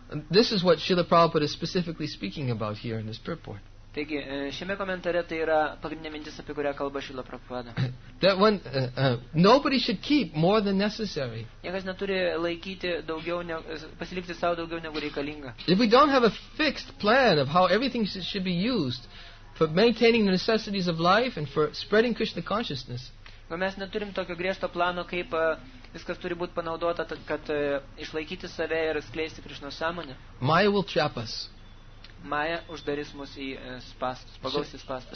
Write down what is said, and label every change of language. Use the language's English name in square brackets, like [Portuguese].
[English] This is what Srila Prabhupada is specifically speaking about here in this purport. [Lithuanian] Taigi, šiame komentare tai yra pagrindinė mintis, apie kurią kalba Srila Prabhupada. [English] That one, nobody should keep more than necessary. [Lithuanian] Niekas neturi laikyti daugiau, pasilikti savo daugiau negu reikalinga. [English] If we don't have a fixed plan of how everything should be used, for maintaining the necessities of life and for spreading Krishna consciousness. [Lithuanian] No, mes neturim tokio griežto plano, kaip viskas turi būti panaudota, kad išlaikyti save ir skleisti Krishna sąmonę. [English] Maya will trap us. [Lithuanian] Maya uždarys mus į spagausį spastą.